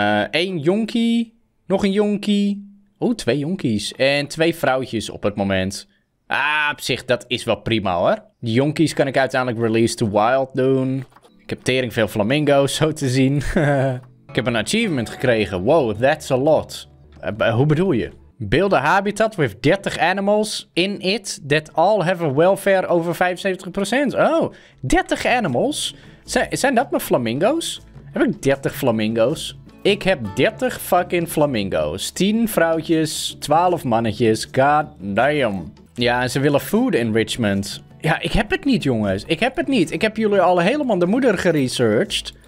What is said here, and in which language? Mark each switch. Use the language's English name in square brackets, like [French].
[Dutch] 1 jonkie. Nog een jonkie. Oeh, 2 jonkies. En 2 vrouwtjes op het moment. Ah, op zich, dat is wel prima hoor. Die jonkies kan ik uiteindelijk [English] release to wild [Dutch] doen. Ik heb tering veel flamingo's, zo te zien. Ik heb een achievement gekregen. [English] Wow, that's a lot. [Dutch] Hoe bedoel je? [English] Build a habitat with 30 animals in it that all have a welfare over 75%. Oh, 30 animals? [Dutch] Zijn dat mijn flamingo's? Heb ik 30 flamingo's? Ik heb 30 fucking flamingo's. 10 vrouwtjes, 12 mannetjes. [English] God damn. [Dutch] Ja, en ze willen food enrichment. Ja, ik heb het niet, jongens. Ik heb het niet. Ik heb jullie al helemaal de moeder geresearched.